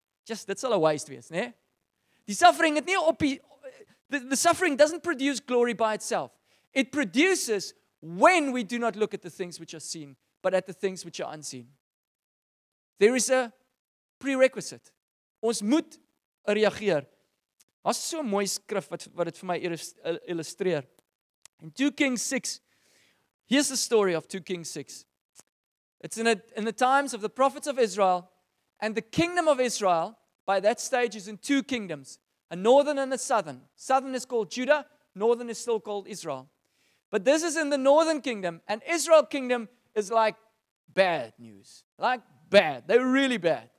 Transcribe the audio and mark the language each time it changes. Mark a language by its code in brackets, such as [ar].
[en] Just, that's all a waste, yes, ne? The suffering doesn't produce glory by itself. It produces when we do not look at the things which are seen, but at the things which are unseen. There is a prerequisite. [af] Ons moet reageer. Daar's so 'n mooi skrif wat dit vir my illustreer. [en] In 2 Kings 6, here's the story of 2 Kings 6. It's in the times of the prophets of Israel, and the kingdom of Israel, by that stage, is in two kingdoms, a northern and a southern. Southern is called Judah, northern is still called Israel. But this is in the northern kingdom, and Israel kingdom is like bad news. Like bad. They were really bad.